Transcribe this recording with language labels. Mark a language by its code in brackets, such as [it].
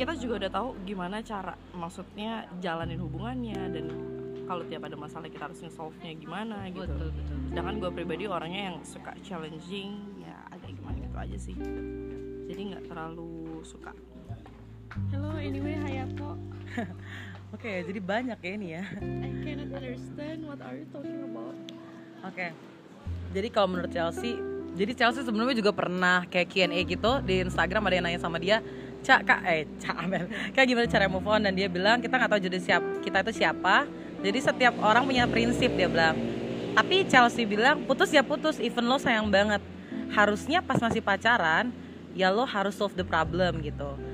[id] Kita juga udah tahu gimana cara, maksudnya jalanin hubungannya dan kalau tiap ada masalah kita harus nge-solve-nya gimana gitu. Betul. Sedangkan gue pribadi orangnya yang suka challenging, ya agak gimana gitu aja sih. Jadi nggak terlalu suka. [en] Hello, anyway, Hayato. [id] Oke, okay, jadi banyak ya ini ya. [en] I cannot understand what are you talking about. [id] Oke, okay. Jadi kalau menurut Chelsea, jadi Chelsea sebelumnya juga pernah kayak Q&A gitu di Instagram, ada yang nanya sama dia, Cak, kayak gimana cara move on, dan dia bilang kita nggak tahu jodoh siap kita itu siapa, jadi setiap orang punya prinsip dia bilang. Tapi Chelsea bilang putus ya putus, even lo sayang banget, harusnya pas masih pacaran ya lo harus [en] solve the problem [id] gitu.